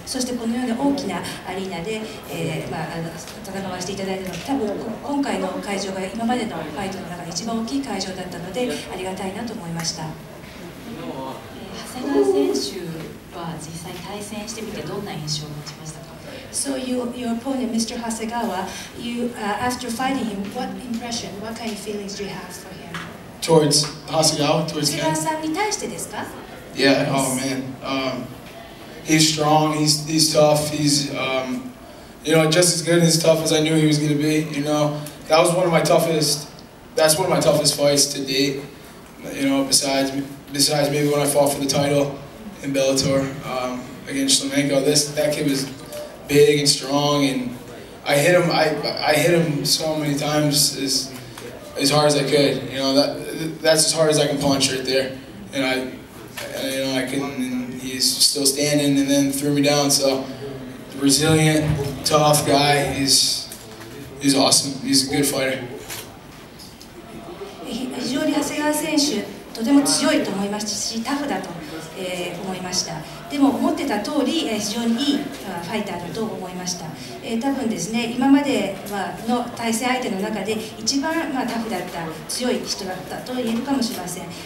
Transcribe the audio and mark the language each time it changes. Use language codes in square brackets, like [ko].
[ja] そしてこのような大きなアリーナで、戦わせていただいたのは、多分今回の会場が今までのファイトの中で一番大きい会場だったので、ありがたいなと思いました。長谷川選手は実際対戦してみて、どんな印象を持ちましたか？ [en] So your opponent, Mr. Hasegawa, after fighting him, what impression, what kind of feelings do you have for him? Towards Hasegawa, towards him. [ja] 長谷川さんに対してですか? [en] Yeah, oh man. He's strong, he's tough, he's, you know, just as good and as tough as I knew he was going to be, you know. That was one of my toughest, that's one of my toughest fights to date, you know, besides maybe when I fought for the title in Bellator against Shlemenko. That kid was big and strong, and I hit him so many times as hard as I could. You know, that's as hard as I can punch right there. And I couldn't, and he's still standing and then threw me down. So resilient, tough guy, he's awesome. He's a good fighter. [ja] 非常に長谷川選手とても強いと思いましたし、タフだと、思いました。でも思ってた通り、非常にいいファイターだと思いました。多分ですね、今までの対戦相手の中で一番、タフだった、強い人だったと言えるかもしれません。